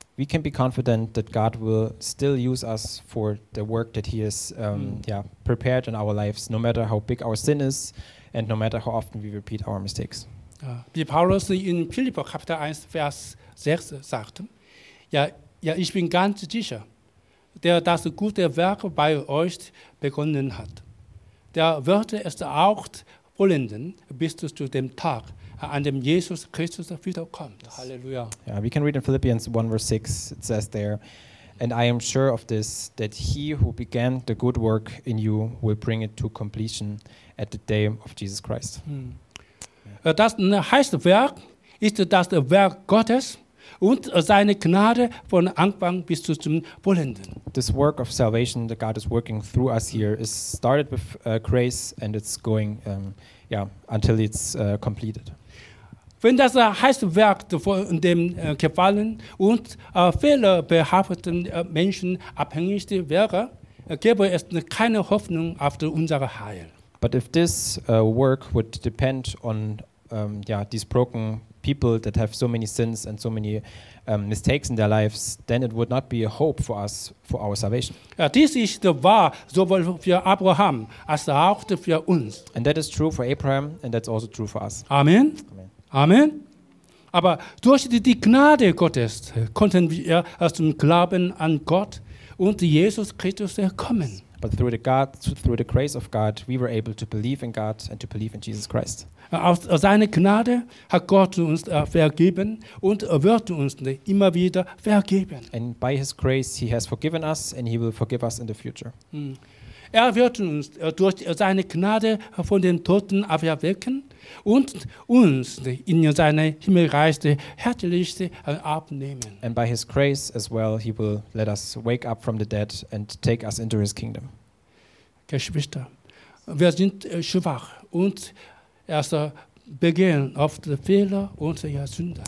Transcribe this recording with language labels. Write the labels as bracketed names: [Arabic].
[English] We can be confident that God will still use us for the work that he has prepared in our lives, no matter how big our sin is and no matter how often we repeat our mistakes. [German] Wie Paulus in Philipper Kapitel 1 Vers 6 sagte, ja, ich bin ganz sicher, der das gute Werk bei euch begonnen hat, der wird es auch vollenden bis zu dem Tag, an dem Jesus Christus wiederkommt. Halleluja. [English] Yeah, we can read in Philippians 1 verse 6, it says there, and I am sure of this, that he who began the good work in you will bring it to completion at the day of Jesus Christ. [German] Das heißt, Werk ist das Werk Gottes, und seine Gnade von Anfang bis zum Vollenden. [English] This work of salvation that God is working through us here is started with grace and it's going until it's completed. [German] Wenn das heißt Werk von dem gefallen und fehlerbehafteten Menschen abhängig wäre, gäbe es keine Hoffnung auf unsere Heil. [English] But if this work would depend on these broken people that have so many sins and so many mistakes in their lives, then it would not be a hope for us, for our salvation. [German] Ja, dies ist wahr, sowohl für Abraham als auch für uns. [English] And that is true for Abraham, and that's also true for us. Amen. Amen. Amen. [German] Aber durch die Gnade Gottes konnten wir zum Glauben an Gott und Jesus Christus kommen. [English] But through the grace of God, we were able to believe in God and to believe in Jesus Christ. [German] Aus seiner Gnade hat Gott uns vergeben und wird uns immer wieder vergeben. [English] And by his grace, he has forgiven us and he will forgive us in the future. [German] Er wird uns durch seine Gnade von den Toten auferwecken und uns in seine Himmelreich herzlich abnehmen. [English] And by his grace as well, he will let us wake up from the dead and take us into his kingdom. [German] Geschwister, wir sind schwach und erst begehen oft Fehler und Sünde.